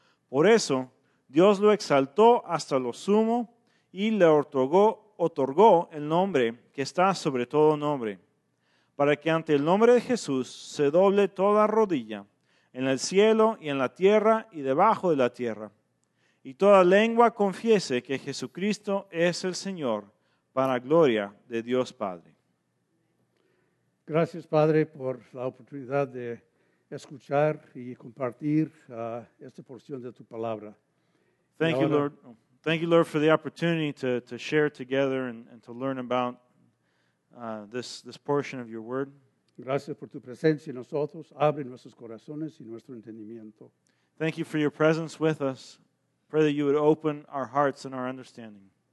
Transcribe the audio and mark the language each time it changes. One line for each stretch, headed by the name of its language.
Spanish: Por eso, Dios lo exaltó hasta lo sumo y le otorgó el nombre que está sobre todo nombre, para que ante el nombre de Jesús se doble toda rodilla, en el cielo y en la tierra y debajo de la tierra, y toda lengua confiese que Jesucristo es el Señor, para gloria de Dios Padre. Gracias, Padre, por la oportunidad de escuchar y compartir esta porción de tu palabra.
English: Thank you, Lord, for the opportunity to share together and to learn about this portion of your word.
Spanish: Gracias por tu presencia en nosotros. Abre nuestros corazones y nuestro entendimiento.
English: Thank you for your presence with us. Pray that you would open our hearts and our understanding.